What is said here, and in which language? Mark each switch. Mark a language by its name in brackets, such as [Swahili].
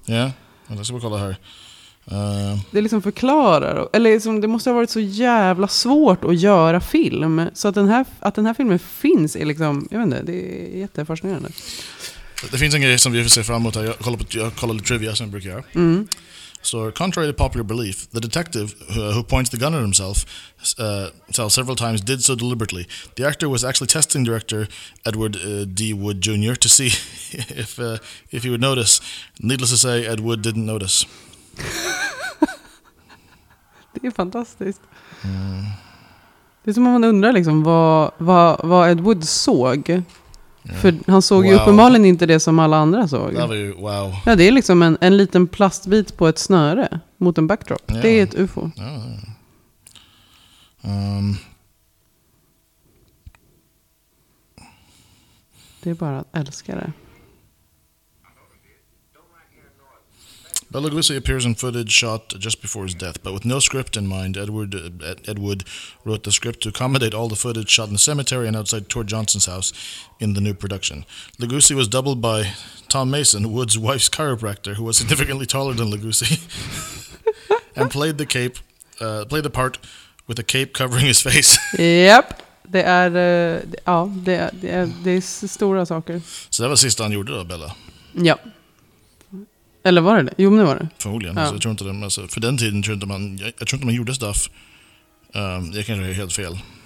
[Swedish] Ja, yeah. Jag ska bara kolla här. Det liksom förklarar, eller liksom, det måste ha varit så jävla svårt att göra film, så att den här filmen finns är liksom, jag vet inte, det är jättefascinerande. Det finns en grej som vi får se fram emot här, jag kollar lite trivia som jag brukar göra. Mm. [English] So, contrary to popular belief, the detective who points the gun at himself several times did so deliberately. The actor was actually testing director Edward D. Wood Jr. to see if he would notice. Needless to say, Ed Wood didn't notice. [Swedish] Det är fantastiskt. Det är som om man undrar liksom vad Ed Wood såg. Yeah. För han såg ju uppenbarligen inte det som alla andra såg. [English] That was, wow. [Swedish] Ja, det är liksom en liten plastbit på ett snöre mot en backdrop. Yeah. Det är ett UFO. [English] Yeah. [Swedish] Det är bara att älska det. [English] Bela Lugosi appears in footage shot just before his death, but with no script in mind, Ed Wood wrote the script to accommodate all the footage shot in the cemetery and outside Tor Johnson's house in the new production. Lugosi was doubled by Tom Mason, Wood's wife's chiropractor, who was significantly taller than Lugosi, and played the cape, played the part with a cape covering his face. Yep. [Swedish] Det är, ja, det är stora saker. Så det var sista han gjorde då, Bella? Ja. Eller var det? Jo, men det var det. Förmodligen. Ja. Alltså, jag tror inte det, alltså, för den tiden tror inte man, jag tror inte man gjorde stuff. Jag kanske är helt fel.